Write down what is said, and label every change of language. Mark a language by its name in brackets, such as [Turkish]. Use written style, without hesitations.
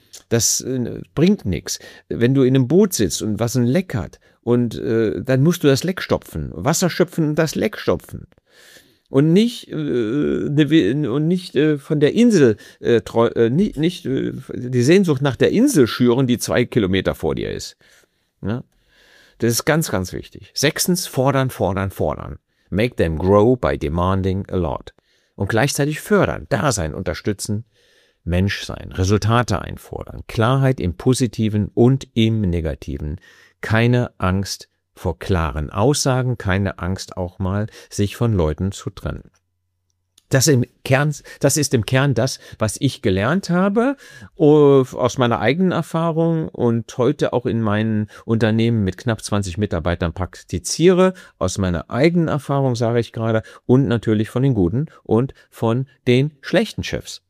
[German] Das bringt nichts. Wenn du in einem Boot sitzt und was ein Leck hat, und dann musst du das Leck stopfen, Wasser schöpfen und das Leck stopfen. Und die Sehnsucht nach der Insel schüren, die 2 Kilometer vor dir ist. Ja? Das ist ganz, ganz wichtig. Sechstens, fordern, fordern, fordern. [English] Make them grow by demanding a lot. [German] Und gleichzeitig fördern, Dasein unterstützen, Mensch sein, Resultate einfordern. Klarheit im Positiven und im Negativen. Keine Angst vor klaren Aussagen, keine Angst auch mal, sich von Leuten zu trennen. Das ist im Kern das, was ich gelernt habe, aus meiner eigenen Erfahrung und heute auch in meinem Unternehmen mit knapp 20 Mitarbeitern praktiziere, aus meiner eigenen Erfahrung, sage ich gerade, und natürlich von den guten und von den schlechten Chefs